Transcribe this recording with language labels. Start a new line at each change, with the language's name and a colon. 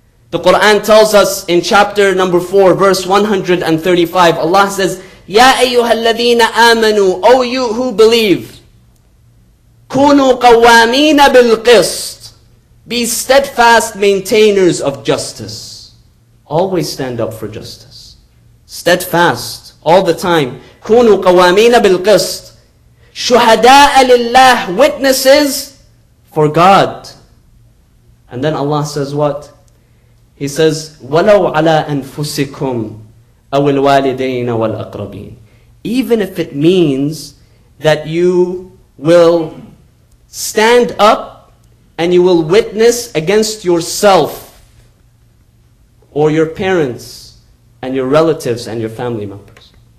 English: The Quran tells us in chapter number 4, verse 135, Allah says,
Arabic: Ya ayyuhalladhina amanu,
English: O you who believe,
Arabic: kunu qawwamina bilqist,
English: be steadfast maintainers of justice. Always stand up for justice. Steadfast, all the time.
Arabic: Kunu qawwamina bilqist, shuhada'a lillah,
English: witnesses for God. And then Allah says what? He says,
Arabic: وَلَوْ عَلَىٰ أَنفُسِكُمْ أَوِ الْوَالِدَيْنَ وَالْأَقْرَبِينَ.
English: Even if it means that you will stand up and you will witness against yourself or your parents and your relatives and your family members.